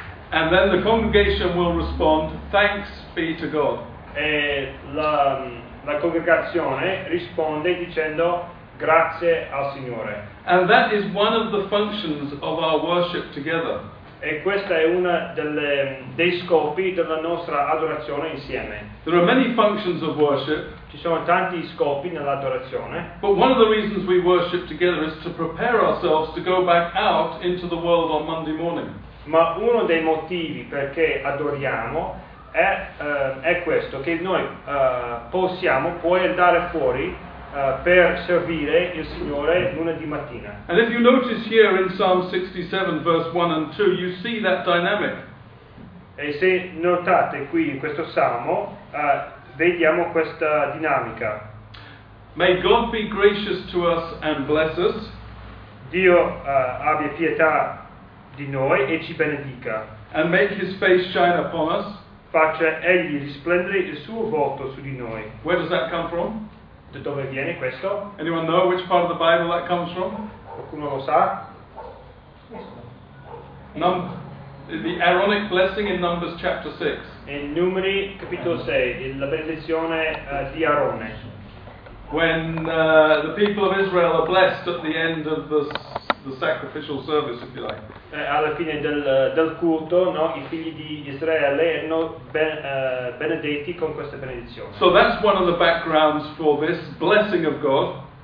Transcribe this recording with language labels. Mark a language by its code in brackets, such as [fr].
[en] And then the congregation will respond, thanks be to God. [it] E la congregazione risponde dicendo grazie al Signore. [en] And that is one of the functions of our worship together. [it] E questa è una dei scopi della nostra adorazione insieme. [en] There are many functions of worship. [it] Ci sono tanti scopi nell'adorazione. [en] But one of the reasons we worship together is to prepare ourselves to go back out into the world on Monday morning. [it] Ma uno dei motivi perché adoriamo è questo, che noi possiamo poi andare fuori per servire il Signore lunedì mattina. [en] And if you notice here in Psalm 67 verse 1 and 2, you see that dynamic. [it] E se notate qui in questo Salmo, vediamo questa dinamica. [en] May God be gracious to us and bless us. [it] Dio abbia pietà di noi e ci benedica. [en] And make his face shine upon us. [it] Faccia egli risplendere il suo volto su di noi. [en] Where does that come from? [it] Da dove viene questo? [en] Anyone know which part of the Bible that comes from? [it] Qualcuno lo sa? [en] The Aaronic blessing in Numbers chapter 6. [it] In Numeri capitolo 6, la benedizione di Aarone. [en] When the people of Israel are blessed at the end of the sacrificial service, if you like. [it] Alla fine del culto, no, i figli di Israele erano benedetti con questa benedizione. [en] So that's one of the backgrounds for this blessing of God.